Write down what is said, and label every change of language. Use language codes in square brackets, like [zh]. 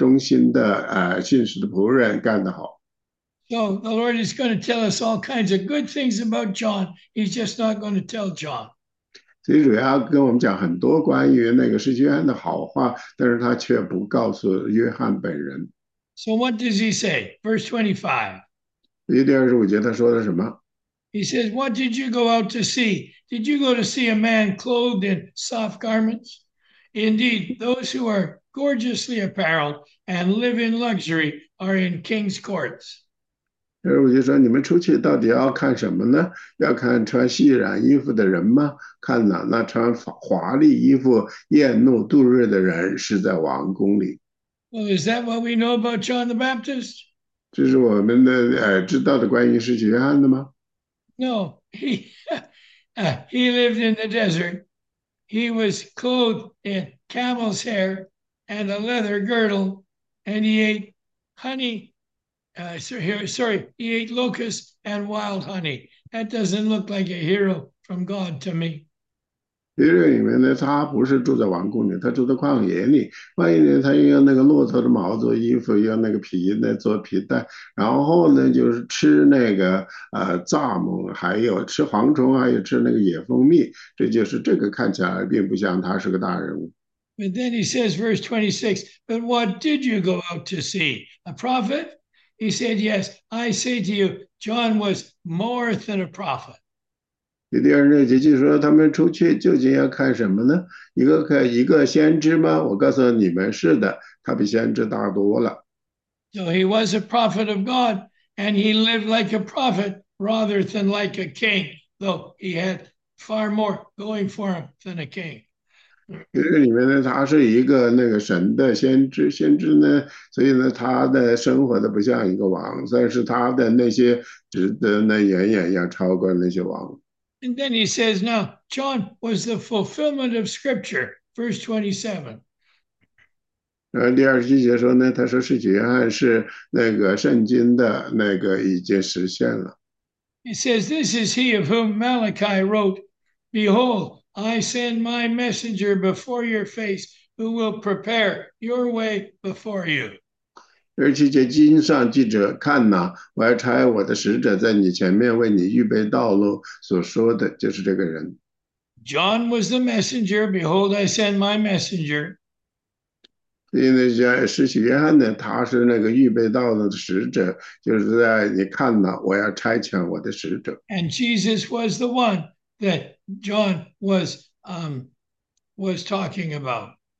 [zh] 但是在那个审判日，就是说在领奖日，基督审判台前，那个领奖日说，主耶稣基督会说呢，你是一个好忠心的信实的仆人，干得好。 [en] So the Lord is going to tell us all kinds of good things about John. He's just not going to tell John. [zh] 其实主要跟我们讲很多关于那个是约翰的好话，但是他却不告诉约翰本人。 [en] So what does he say? Verse 25. [zh] 1:25节他说的什么？ [en] He says, "What did you go out to see? Did you go to see a man clothed in soft garments? Indeed, those who are gorgeously apparelled and live in luxury are in king's courts." [zh] 我就说，你们出去到底要看什么呢？要看穿细软衣服的人吗？看哪，那穿华丽衣服、艳怒度日的人是在王宫里。 [en] Well, is that what we know about John the Baptist? [zh] 这是我们的知道的关于使徒约翰的吗？ [en] No, he lived in the desert. He was clothed in camel's hair and a leather girdle, and he ate honey. Sorry, he ate locusts and wild honey. That doesn't look like a hero from God to me. [zh] 约瑟里面呢，他不是住在王宫里，他住在旷野里。万一呢，他用那个骆驼的毛做衣服，用那个皮呢做皮带，然后呢就是吃那个蚱蜢，还有吃蝗虫，还有吃那个野蜂蜜。这就是这个看起来并不像他是个大人物。 [en] But then he says, verse 26, but what did you go out to see? A prophet? He said, yes, I say to you, John was more than a prophet. [zh] 第2节就说他们出去究竟要看什么呢？一个先知吗？我告诉你们，是的，他比先知大多了。 [en] So he was a prophet of God, and he lived like a prophet rather than like a king, though he had far more going for him than a king. [zh] 里面呢，他是一个那个神的先知，先知呢，所以呢，他的生活的不像一个王，但是他的那些职责呢，远远要超过那些王。 [en] And then he says, now, John was the fulfillment of Scripture, verse 27. [zh] 第27节说呢，他说是约翰是那个圣经的那个已经实现了。 [en] He says, this is he of whom Malachi wrote, Behold, I send my messenger before your face, who will prepare your way before you. [zh] 27节经上记着，看哪，我要差我的使者在你前面为你预备道路，所说的就是这个人。 [en] John was the messenger. Behold, I send my messenger. [zh] 因为那些使徒约翰呢，他是那个预备道路的使者，就是在你看呢，我要差遣我的使者。 [en] And Jesus was the one that John was talking about.